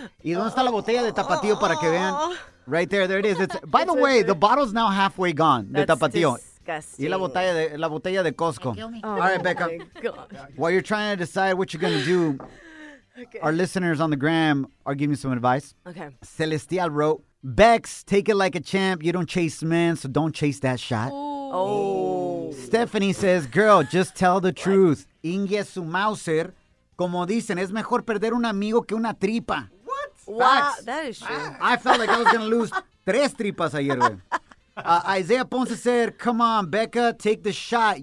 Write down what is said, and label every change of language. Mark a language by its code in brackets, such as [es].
[es] ¿Y dónde está la botella de Tapatío para que vean? [en] Right there it is. By the way, the bottle's now halfway gone. That's [es] de Tapatío. [en] Disgusting. [es] Y la botella de Costco. [en] All right, Becca. While you're trying to decide what you're going to do, our listeners on the gram are giving you some advice. Okay. Celestial wrote, Bex, take it like a champ. You don't chase men, so don't chase that shot. Stephanie says, girl, just tell the truth. [es] Inge su Mauser, como dicen, es mejor perder un amigo que una tripa. [en] What? Facts. Wow, that is true. I felt like I was going to lose tres tripas ayer. Isaiah Ponce said, come on, Becca, take the shot.